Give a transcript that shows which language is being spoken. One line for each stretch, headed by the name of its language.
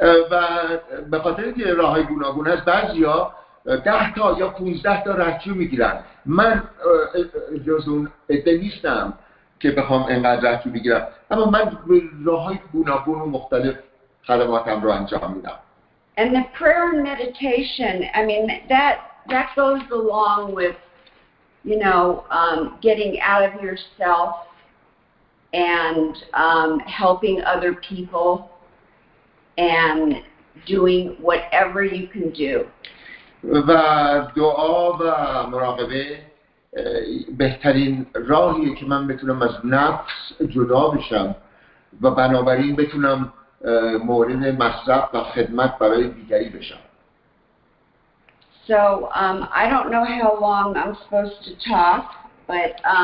Persian: و به خاطر اینکه راه‌های گوناگون هست، بعضیا 10 تا یا 15 تا رهجو میگیرن. من جز اون عده نیستم که بخوام اینقدر رهجو بگیرم، اما من به راه‌های گوناگون و مختلف خدماتم رو انجام میدم.
English: And the prayer and meditation, I mean, that goes along with, you know, getting out of yourself and helping other people and doing whatever you can do.
Persian: و دعا و مراقبه بهترین راهیه که من بتونم از نفس جدا بشم و بنابراین بتونم مورد مصرف و خدمت برای دیگری بشم.
English: So I don't know how long I'm supposed to talk, but